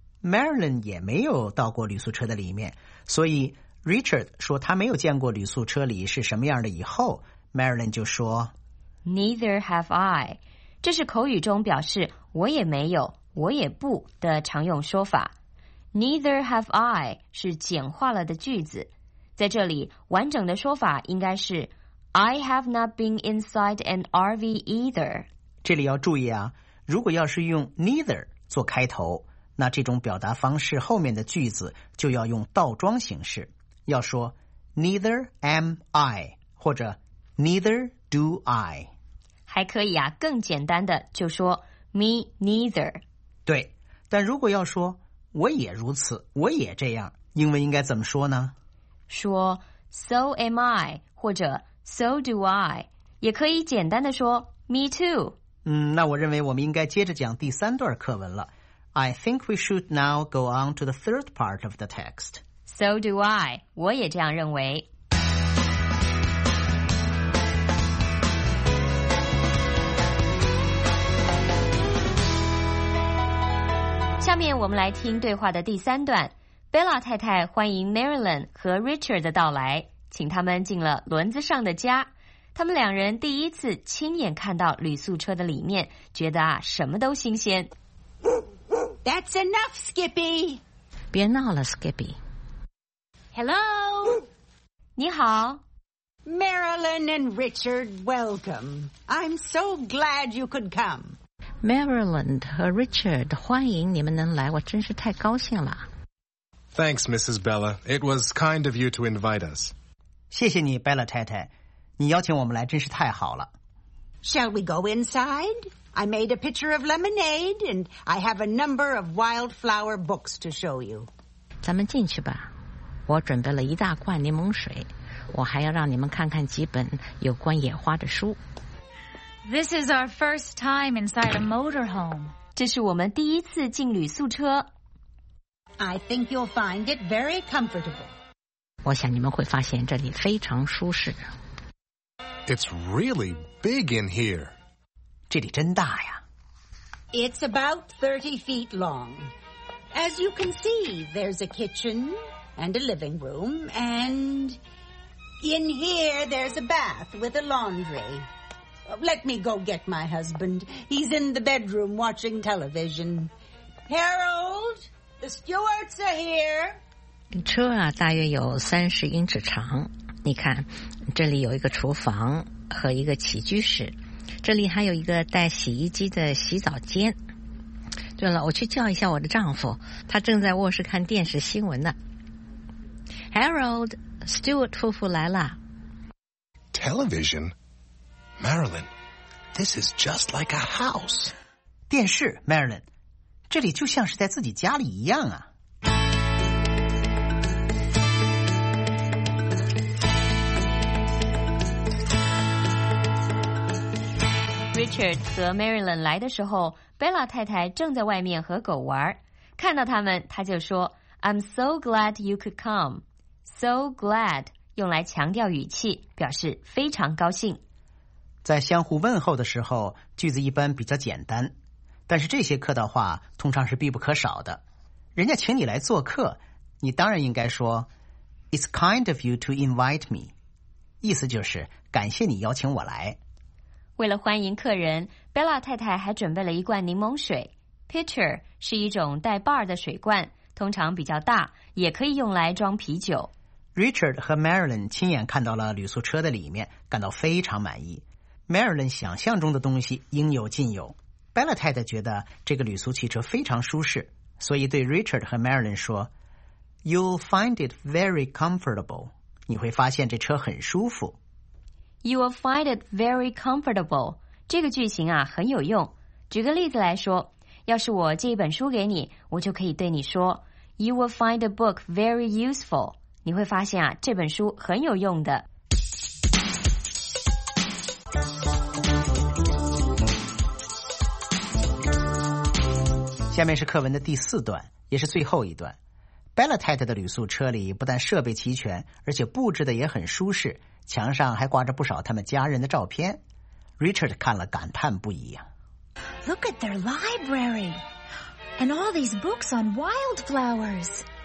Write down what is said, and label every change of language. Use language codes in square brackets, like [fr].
[zh] Marilyn 也没有到过旅宿车的里面，所以 Richard 说他没有见过旅宿车里是什么样的以后， Marilyn 就说 [en] Neither have I. [zh] 这是口语中表示我也没有，我也不的常用说法。 [en] Neither have I [zh] 是简化了的句子，在这里完整的说法应该是 [en] I have not been inside an RV either。 [zh] 这里要注意啊，如果要是用 neither 做开头，那这种表达方式后面的句子就要用倒装形式，要说 [en] neither am I [zh] 或者 [en] neither do I。 [zh] 还可以啊，更简单的就说 [en] me neither。 [zh] 对，但如果要说我也如此，我也这样，英文应该怎么说呢？说 [en] So am I [zh] 或者 [en] So do I， [zh] 也可以简单的说 [en] Me too。 [zh] 嗯，那我认为我们应该接着讲第三段课文了。 [en] I think we should now go on to the third part of the text。 So do I， [zh] 我也这样认为。下面我们来听对话的第三段。Bella 太太欢迎 Marilyn 和 Richard 的到来，请他们进了轮子上的家。他们两人第一次亲眼看到旅宿车的里面，觉得啊什么都新鲜。 [en] That's enough, Skippy. [zh] 别闹了 Skippy. [en] Hello. [zh] 你好 [en] Marilyn and Richard, welcome. I'm so glad you could come [zh] Marilyn 和 Richard, 欢迎你们能来，我真是太高兴了。 [en] Thanks, Mrs. Bella. It was kind of you to invite us. [zh] 谢谢你 ,Bella 太太。你邀请我们来真是太好了。 [en] Shall we go inside? I made a pitcher of lemonade, and I have a number of wildflower books to show you. [zh] 咱们进去吧。我准备了一大罐柠檬水。我还要让你们看看几本有关野花的书。 [en] This is our first time inside a motorhome. [zh] 这是我们第一次进旅宿车。 [en] I think you'll find it very comfortable. [zh] 我想你们会发现这里非常舒适。 [en] It's really big in here. [zh] 这里真大呀。 [en] It's about 30 feet long. As you can see, there's a kitchen and a living room, and in here there's a bath with a laundry. Let me go get my husband. He's in the bedroom watching television. Harold, the Stewarts are here. [zh] 车啊，大约有30英尺长。你看，这里有一个厨房和一个起居室，这里还有一个带洗衣机的洗澡间。对了，我去叫一下我的丈夫，他正在卧室看电视新闻呢。 Harold, Stewart 夫妇来了。 [en] Television? Marilyn, this is just like a house. [zh] 电视 Marilyn, 这里就像是在自己家里一样啊。 Richard 和 Marilyn 来的时候， Bella 太太正在外面和狗玩。看到他们，他就说 [en] I'm so glad you could come. [zh] So glad 用来强调语气，表示非常高兴。在相互问候的时候，句子一般比较简单，但是这些客套话通常是必不可少的。人家请你来做客，你当然应该说 [en] It's kind of you to invite me. [zh] 意思就是感谢你邀请我来。为了欢迎客人， Bella 太太还准备了一罐柠檬水。 Pitcher 是一种带把的水罐，通常比较大，也可以用来装啤酒。 Richard 和 Marilyn 亲眼看到了旅宿车的里面，感到非常满意。 Marilyn 想象中的东西应有尽有。Bella 太太觉得这个旅宿汽车非常舒适，所以对 Richard 和 Marilyn 说 [en] You'll find it very comfortable. [zh] 你会发现这车很舒服。 [en] You will find it very comfortable. [zh] 这个句型啊很有用。举个例子来说，要是我借一本书给你，我就可以对你说 [en] You will find the book very useful. [zh] 你会发现啊，这本书很有用的。下面是课文的第四段，也是最后一段。Bella 太太的旅宿车里不但设备齐全，而且布置的也很舒适，墙上还挂着不少他们家人的照片。 Richard 看了感叹不已啊。 [en] Look at their library, and all these books on wildflowers.